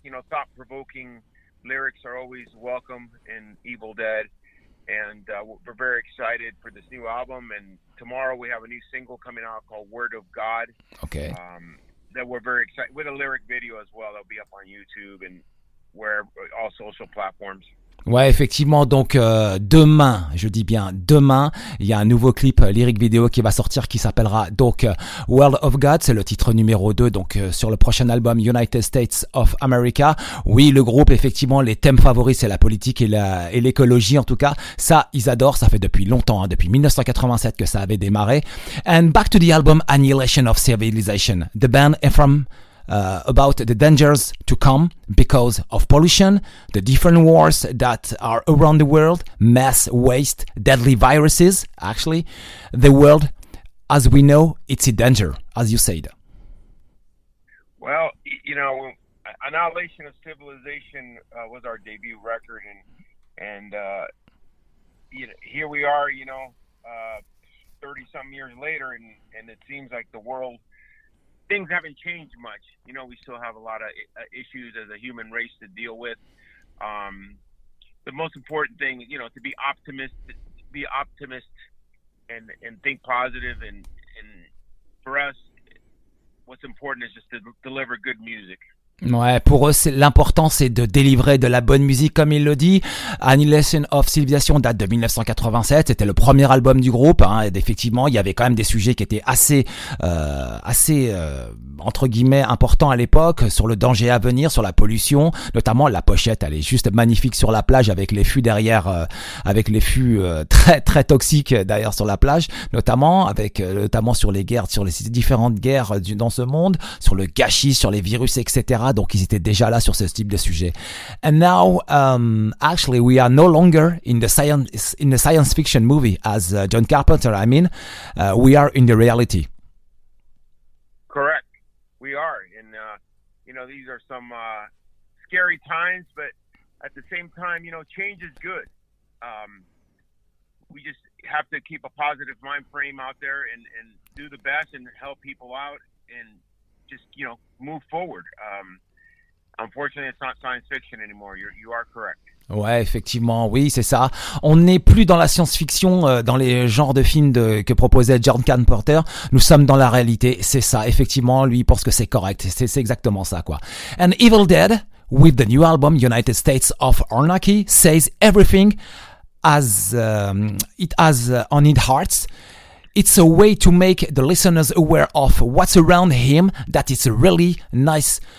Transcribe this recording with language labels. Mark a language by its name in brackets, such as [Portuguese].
[English] You know, thought-provoking lyrics are always welcome in Evil Dead. And we're very excited for this new album. And tomorrow we have a new single coming out called Word of God. Okay. That we're very excited with a lyric video as well. That'll be up on YouTube and where all social platforms. [French] Ouais, effectivement, donc demain, je dis bien demain, il y a un nouveau clip lyric vidéo qui va sortir qui s'appellera donc World of God, c'est le titre numéro 2, donc sur le prochain album United States of America. Oui, le groupe, effectivement, les thèmes favoris, c'est la politique et l'écologie, en tout cas, ça, ils adorent, ça fait depuis longtemps, hein, depuis 1987 que ça avait démarré. [English] And back to the album Annihilation of Civilization, the band is from... about the dangers to come because of pollution, the different wars that are around the world, mass waste, deadly viruses, actually, the world as we know, it's a danger, as you said. Well, you know, Annihilation of Civilization was our debut record, and you know, here we are, you know, 30-something years later, and it seems like the world, things haven't changed much. You know, we still have a lot of issues as a human race to deal with. The most important thing, you know, to be optimist and think positive, and for us, what's important is just to deliver good music. [French] Ouais, pour eux, l'important, c'est de délivrer de la bonne musique, comme il le dit. Annihilation of Civilization date de 1987, c'était le premier album du groupe, hein, et effectivement, il y avait quand même des sujets qui étaient assez, entre guillemets, importants à l'époque, sur le danger à venir, sur la pollution, notamment la pochette, elle est juste magnifique sur la plage, avec les fûts derrière, avec les fûts très, très toxiques derrière sur la plage, notamment sur les guerres, sur les différentes guerres dans ce monde, sur le gâchis, sur les virus, etc. Donc ils étaient déjà là sur ce type de sujet. [English] And now, actually, we are no longer in the science fiction movie as John Carpenter. I mean, we are in the reality. Correct. We are, and you know, these are some scary times. But at the same time, you know, change is good. We just have to keep a positive mind frame out there and do the best and help people out and. Just, you know, move forward. Unfortunately, it's not science fiction anymore. You are correct. [French] Ouais, effectivement, oui, c'est ça. On n'est plus dans la science-fiction, dans les genres de films que proposait John Carpenter. Nous sommes dans la réalité, c'est ça. Effectivement, lui pense que c'est correct. C'est exactement ça, quoi. [English] And Evil Dead, with the new album United States of Anarchy, says everything as it has on its heart. It's a way to make the listeners aware of what's around him, that it's really nice.